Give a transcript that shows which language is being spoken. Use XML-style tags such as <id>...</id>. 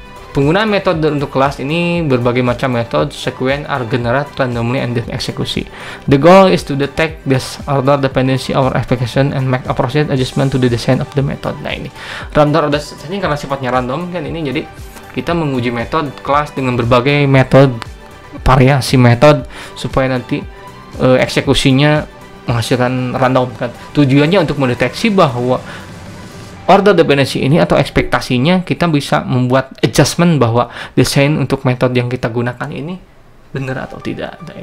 <id>Penggunaan metode untuk kelas ini berbagai macam metode,</id> <en>sequence are generated randomly and then</en> <id>eksekusi.</id> <en>The goal is to detect this order dependency of our application and make appropriate adjustment to the design of the method.</en> <id>Nah ini, random order dasarnya karena sifatnya random kan ini, jadi kita menguji metode kelas dengan berbagai metode, variasi metode, supaya nanti eksekusinya menghasilkan random kan. Tujuannya untuk mendeteksi bahwa order dependency ini atau ekspektasinya kita bisa membuat adjustment bahwa desain untuk metode yang kita gunakan ini benar atau tidak.</id>